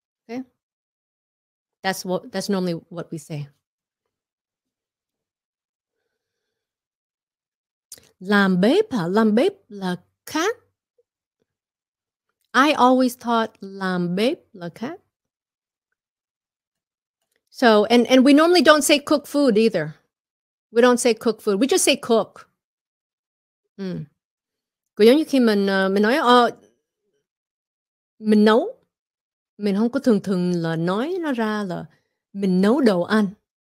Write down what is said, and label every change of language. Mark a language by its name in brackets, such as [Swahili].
[English] Okay. That's normally what we say. [Vietnamese] Làm bếp hả? Làm bếp là khác. [English] I always thought [Vietnamese] làm bếp là khác. [English] So, and we normally don't say cook food either. We don't say cook food. We just say cook. [Vietnamese] Cứ giống như khi mình nói mình nấu. Mình không có thường thường là nói nó ra là mình nấu đồ ăn.